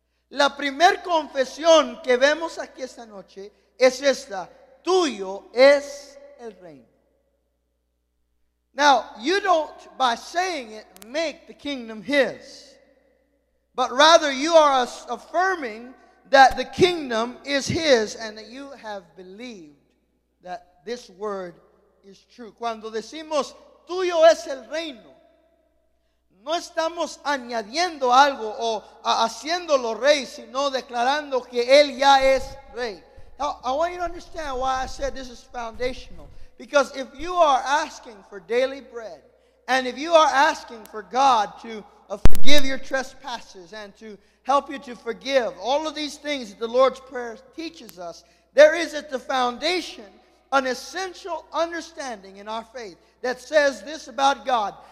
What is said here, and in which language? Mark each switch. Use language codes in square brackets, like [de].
[es] La primer confesión que vemos aquí esta noche es esta. Tuyo es el reino. [en] Now, you don't, by saying it, make the kingdom his. But rather, you are affirming that the kingdom is his and that you have believed that this word is true. [es] Cuando decimos, tuyo es el reino, no estamos añadiendo algo o haciéndolo rey, sino declarando que él ya es rey. [en] Now, I want you to understand why I said this is foundational. Because if you are asking for daily bread, and if you are asking for God to forgive your trespasses and to help you to forgive, all of these things that the Lord's Prayer teaches us, there is at the foundation an essential understanding in our faith that says this about God.